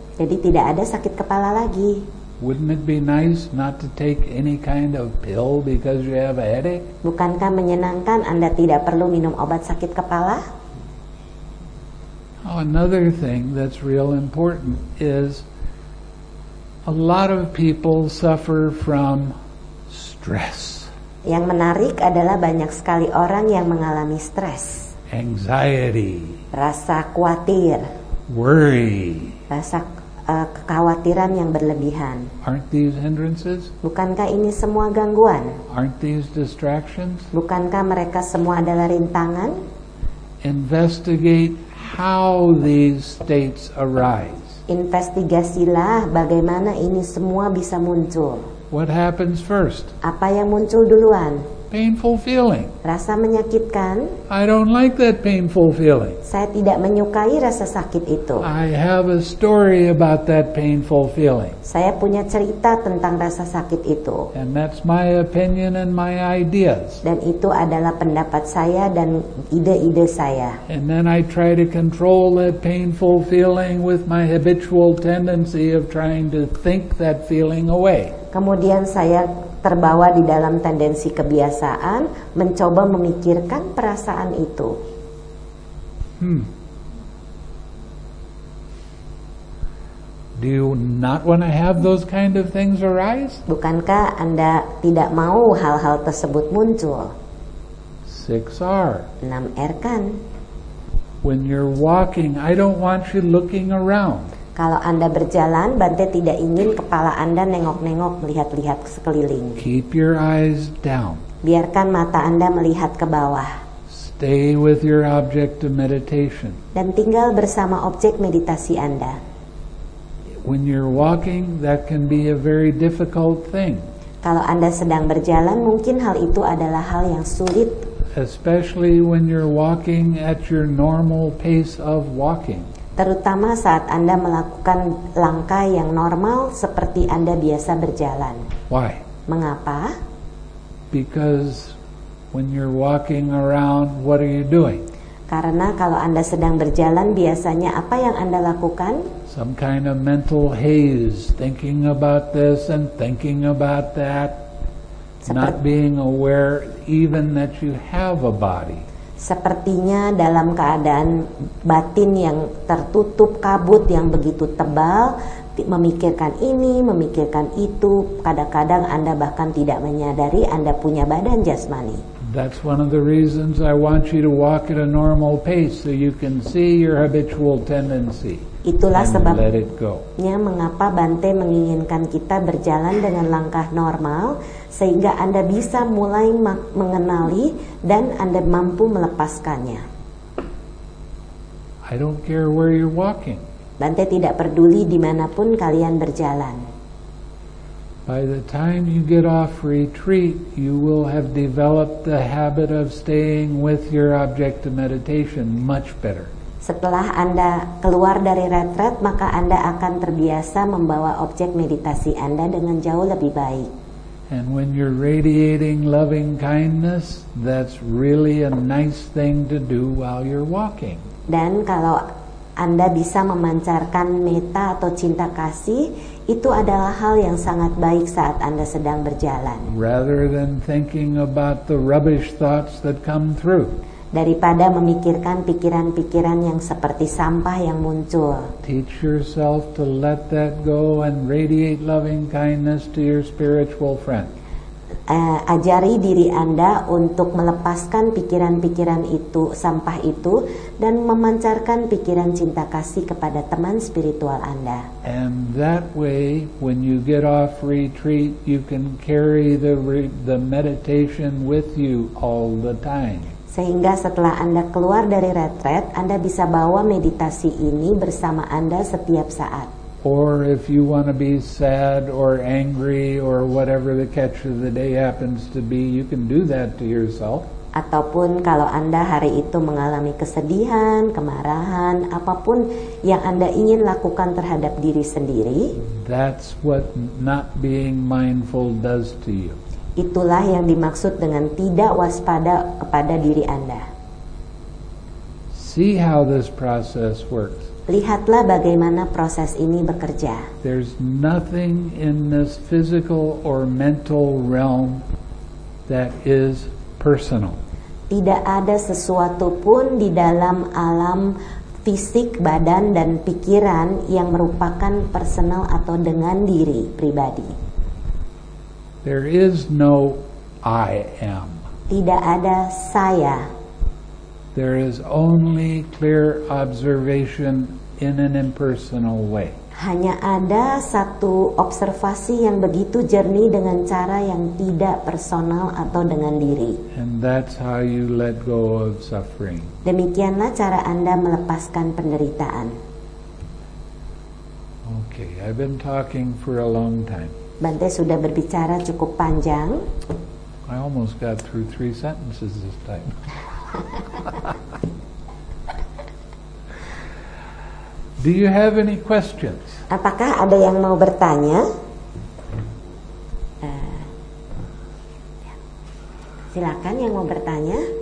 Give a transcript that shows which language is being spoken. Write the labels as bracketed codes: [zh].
[id] Jadi tidak ada sakit kepala lagi. [en] Wouldn't it be nice not to take any kind of pill because you have a headache? [id] Bukankah menyenangkan Anda tidak perlu minum obat sakit kepala? [en] Oh, another thing that's real important is a lot of people suffer from stress. [id] Yang menarik adalah banyak sekali orang yang mengalami stres. [en] anxiety, [id] rasa khawatir, [en] worry, [id] rasa kekhawatiran yang berlebihan. [en] Aren't these hindrances? [id] Bukankah ini semua gangguan? [en] Aren't these distractions? [id] Bukankah mereka semua adalah rintangan? [en] Investigate how these states arise. [id] Investigasilah bagaimana ini semua bisa muncul. [en] What happens first? [id] Apa yang muncul duluan? [en] Painful feeling. [id] Rasa menyakitkan. [en] I don't like that painful feeling. [id] Saya tidak menyukai rasa sakit itu. [en] I have a story about that painful feeling. [id] Saya punya cerita tentang rasa sakit itu. [en] And that's my opinion and my ideas. [id] Dan itu adalah pendapat saya dan ide-ide saya. [en] And then I try to control that painful feeling with my habitual tendency of trying to think that feeling away. [id] Kemudian saya terbawa di dalam tendensi kebiasaan mencoba memikirkan perasaan itu. [en] Do you not want to have those kind of things arise? [id] Bukankah Anda tidak mau hal-hal tersebut muncul? [en] 6R. [id] 6R kan? [en] When you're walking, I don't want you looking around. [id] Kalau Anda berjalan, Bante tidak ingin kepala Anda nengok-nengok melihat-lihat sekeliling. [en] Keep your eyes down. [id] Biarkan mata Anda melihat ke bawah. [en] Stay with your object of meditation. [id] Dan tinggal bersama objek meditasi Anda. [en] When you're walking, that can be a very difficult thing. [id] Kalau Anda sedang berjalan, mungkin hal itu adalah hal yang sulit. [en] Especially when you're walking at your normal pace of walking. [id] Terutama saat Anda melakukan langkah yang normal seperti Anda biasa berjalan. [en] Why? [id] Mengapa? [en] Because when you're walking around, what are you doing? [id] Karena kalau Anda sedang berjalan, biasanya apa yang Anda lakukan? [en] Some kind of mental haze, thinking about this and thinking about that, not being aware even that you have a body. [id] Sepertinya dalam keadaan batin yang tertutup kabut yang begitu tebal, memikirkan ini, memikirkan itu, kadang-kadang Anda bahkan tidak menyadari Anda punya badan jasmani. [en] That's one of the reasons I want you to walk at a normal pace so you can see your habitual tendency. [id] Itulah sebabnya mengapa Bante menginginkan kita berjalan dengan langkah normal sehingga Anda bisa mulai mengenali dan Anda mampu melepaskannya. [en] I don't care where you're walking. [id] Bante tidak peduli dimanapun kalian berjalan. [en] By the time you get off retreat, you will have developed the habit of staying with your object of meditation much better. [id] Setelah Anda keluar dari retret, maka Anda akan terbiasa membawa objek meditasi Anda dengan jauh lebih baik. [en] And when you're radiating loving kindness, that's really a nice thing to do while you're walking. [id] Dan kalau Anda bisa memancarkan metta atau cinta kasih, itu adalah hal yang sangat baik saat Anda sedang berjalan. [en] Rather than thinking about the rubbish thoughts that come through. [id] Daripada memikirkan pikiran-pikiran yang seperti sampah yang muncul. [en] Teach yourself to let that go and radiate loving kindness to your spiritual friend. [id] Ajari diri Anda untuk melepaskan pikiran-pikiran itu, sampah itu, dan memancarkan pikiran cinta kasih kepada teman spiritual Anda. [en] And that way, when you get off retreat, you can carry the meditation with you all the time. [id] Sehingga setelah Anda keluar dari retret, Anda bisa bawa meditasi ini bersama Anda setiap saat. [en] Or if you want to be sad or angry or whatever the catch of the day happens to be, you can do that to yourself. [id] Ataupun kalau Anda hari itu mengalami kesedihan, kemarahan, apapun yang Anda ingin lakukan terhadap diri sendiri. [en] That's what not being mindful does to you. [id] Itulah yang dimaksud dengan tidak waspada kepada diri Anda. [en] See how this process works. [id] Lihatlah bagaimana proses ini bekerja. [en] There's nothing in this physical or mental realm that is personal. [id] Tidak ada sesuatu pun di dalam alam fisik, badan, dan pikiran yang merupakan personal atau dengan diri pribadi. [en] There is no I am. [id] Tidak ada saya. [en] There is only clear observation in an impersonal way. [id] Hanya ada satu observasi yang begitu jernih dengan cara yang tidak personal atau dengan diri. [en] And that's how you let go of suffering. [id] Demikianlah cara Anda melepaskan penderitaan. [en] Okay, I've been talking for a long time. [id] Bante sudah berbicara cukup panjang. [en] I almost got through 3 sentences this time. Do you have any questions? [id] Apakah ada yang mau bertanya? Silakan yang mau bertanya.